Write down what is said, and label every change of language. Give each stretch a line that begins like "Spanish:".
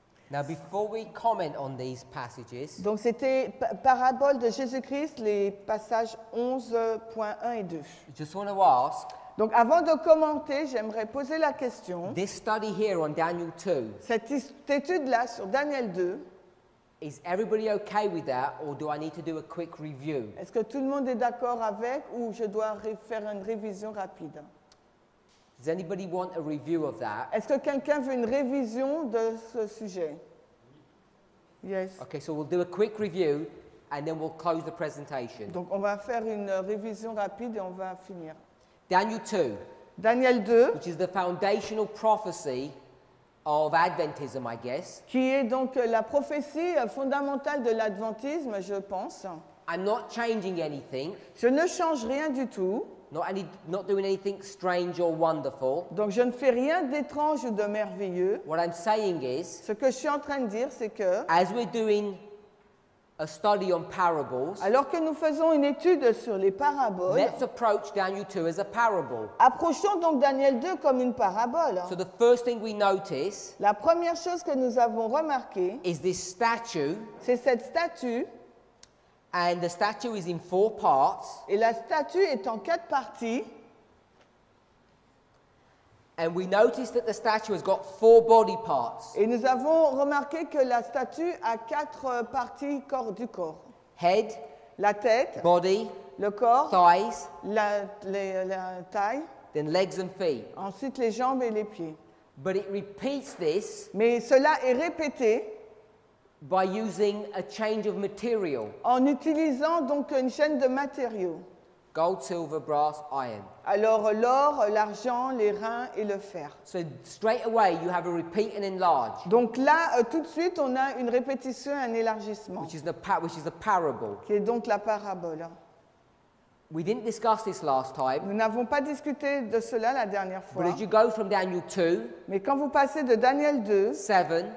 English: Now, before we comment on these passages,
French: donc c'était parabole de Jésus-Christ, les passages 11.1 et 2.
English: Just want to ask,
French: donc avant de commenter, j'aimerais poser la question.
English: This study here on Daniel 2,
French: cette étude-là sur Daniel 2,
English: is everybody okay with that, or do I need to do a quick review?
French: Est-ce que tout le monde est d'accord avec, ou je dois faire une révision rapide?
English: Does anybody want a review of that?
French: Est-ce que quelqu'un veut une révision de ce sujet?
English: Yes. Okay, so we'll do a quick review, and then we'll close the presentation.
French: Donc on va faire une révision rapide et on va finir.
English: Daniel 2.
French: Daniel 2.
English: Which is the foundational prophecy of Adventism, I guess.
French: Qui est donc la prophétie fondamentale de l'adventisme, je pense.
English: I'm not changing anything.
French: Je ne change rien du tout.
English: Not doing anything strange or wonderful.
French: Donc je ne fais rien d'étrange ou de merveilleux.
English: What I'm saying is,
French: ce que je suis en train de dire, c'est que,
English: as we're doing a study on parables,
French: alors que nous faisons une étude sur les paraboles,
English: let's approach Daniel 2 as a parable.
French: Approchons donc Daniel 2 comme une parabole.
English: So the first thing we notice,
French: la première chose que nous avons remarqué,
English: is this statue,
French: c'est cette statue.
English: And the statue is in four parts.
French: Et la statue est en quatre parties.
English: And we notice that the statue has got four body parts.
French: Et nous avons remarqué que la statue a quatre parties corps du corps.
English: Head.
French: La tête.
English: Body.
French: Le corps.
English: Thighs.
French: La taille.
English: Then legs and feet.
French: Ensuite les jambes et les pieds.
English: But it repeats this.
French: Mais cela est répété.
English: By using a change of material.
French: En utilisant donc une chaîne de matériaux.
English: Gold, silver, brass, iron.
French: Alors l'or, l'argent, les reins et le fer.
English: So straight away you have a repeat and enlarge.
French: Donc là, tout de suite, on a une répétition, un élargissement.
English: Which is a parable.
French: Qui est donc la parabole.
English: We didn't discuss this last time.
French: Nous n'avons pas discuté de cela la dernière fois.
English: But as you go from Daniel 2,
French: mais quand vous passez de Daniel 2,
English: 7,